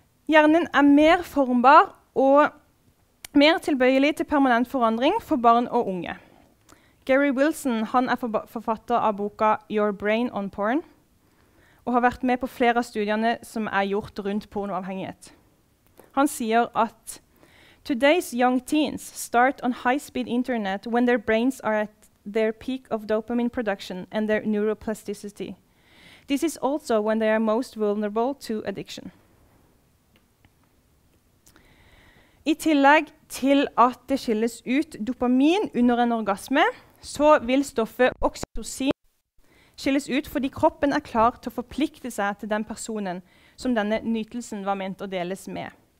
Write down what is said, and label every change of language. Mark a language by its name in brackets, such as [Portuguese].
[Norwegian] Hjernen er mer formbar og mer tilbøyelig til permanent forandring for barn og unge. Gary Wilson, han er forfatter av boka Your Brain on Porn, og har vært med på flere av studiene som er gjort rundt pornoavhengighet. Han sier at [English] «Today's young teens start on high-speed internet when their brains are at their peak of dopamine production and their neuroplasticity. This is also when they are most vulnerable to addiction». [Norwegian] I tillegg til at det skilles ut dopamin under en orgasme, så vil stoffet oxytocin skilles ut fordi kroppen er klar til å forplikte seg til den personen som denne nytelsen var ment å deles med.